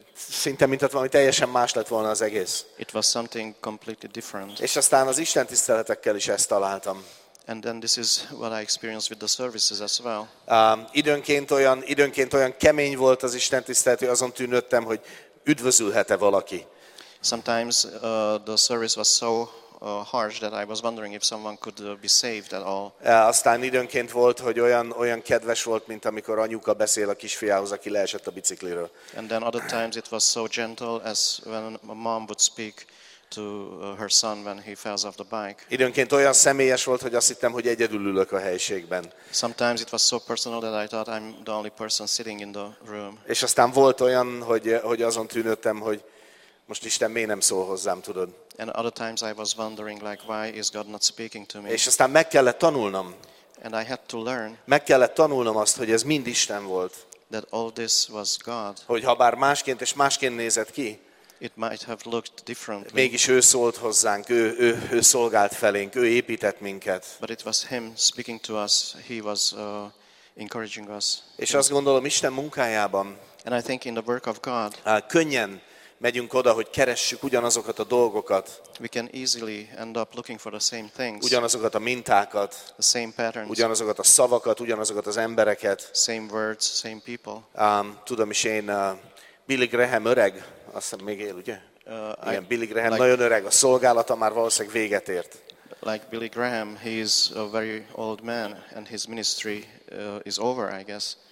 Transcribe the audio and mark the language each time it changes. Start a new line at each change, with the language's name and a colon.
Hungarian: Szinte mintha valami teljesen más lett volna az egész.
English: It was something completely different.
Hungarian: És aztán az Isten tiszteletekkel is ezt találtam.
English: And then this is what I experienced with the services as well.
Hungarian: Időnként olyan kemény volt az Isten tisztelet, hogy azon tűnődtem, hogy üdvözülhet-e valaki.
English: Sometimes the service was so harsh that I was wondering if someone could be saved at all.
Hungarian: Aztán időnként volt, hogy olyan kedves volt, mint amikor anyuka beszél a kisfiához, aki leesett a bicikliről.
English: And then other times it was so gentle as when a mom would speak to her son when he fell off the bike.
Hungarian: Időnként olyan személyes volt, hogy azt hittem, hogy egyedül ülök a helyiségben.
English: Sometimes it was so personal that I thought I'm the only person sitting in the room.
Hungarian: És aztán volt olyan, hogy azon tűnődtem, hogy most Isten miért nem szól hozzám, tudod?
English: And other times I was wondering like why is God not speaking to me?
Hungarian: És aztán meg kellett tanulnom.
English: And I had to learn.
Hungarian: Meg kellett tanulnom azt, hogy ez mind Isten volt.
English: That all this was God.
Hungarian: Hogy habár másként és másként nézett ki,
English: it might have looked differently.
Hungarian: Mégis ő szólt hozzánk, ő szolgált felénk, ő épített minket.
English: But it was him speaking to us. He was encouraging us.
Hungarian: És azt gondolom Isten munkájában.
English: And I think in the work of God.
Hungarian: Könnyen megyünk oda, hogy keressük ugyanazokat a dolgokat.
English: We can easily end up looking for the same things.
Hungarian: Ugyanazokat a mintákat.
English: The same patterns.
Hungarian: Ugyanazokat a szavakat, ugyanazokat az embereket.
English: Same words, same people.
Hungarian: Tudom is én, Billy Graham öreg. Azt hiszem, még él, ugye? Igen, Billy Graham like, nagyon öreg, a szolgálata már valószínűleg véget ért.
English: Like Billy Graham, he is a very old man, and his ministry is over, I guess.